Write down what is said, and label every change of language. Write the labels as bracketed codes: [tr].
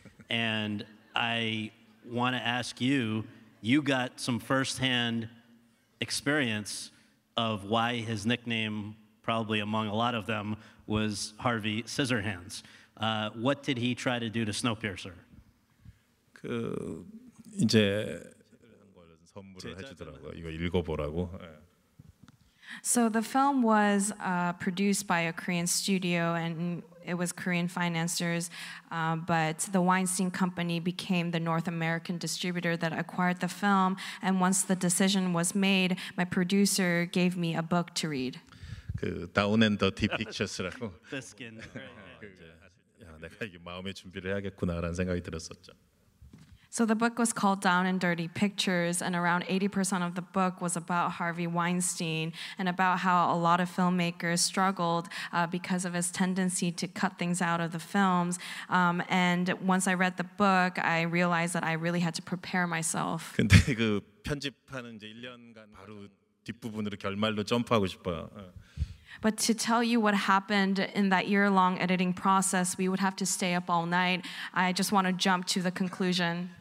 [en] And I want to ask you, you got some firsthand experience of why his nickname, probably among a lot of them, was Harvey Scissorhands. What did he try to do to Snowpiercer? [ko] 그 이제 선물을 해주더라고요. 이거 읽어보라고. [en] So the film was produced by a Korean studio, and it was Korean financiers, but the Weinstein Company became the North American distributor that acquired the film. And once the decision was made, my producer gave me a book to read. [ko] 그 Down and Dirty Pictures라고. [en] The Skin. [ko] 야, 내가 이게 마음의 준비를 해야겠구나라는 생각이 들었었죠. [en] So the book was called Down and Dirty Pictures, and around 80% of the book was about Harvey Weinstein and about how a lot of filmmakers struggled because of his tendency to cut things out of the films. And once I read the book, I realized that I really had to prepare myself. [ko] 근데 그 편집하는 이제 1년간 바로 뒷부분으로 결말로 점프하고 싶어요. [en] But to tell you what happened in that year-long editing process, we would have to stay up all night. I just want to jump to the conclusion.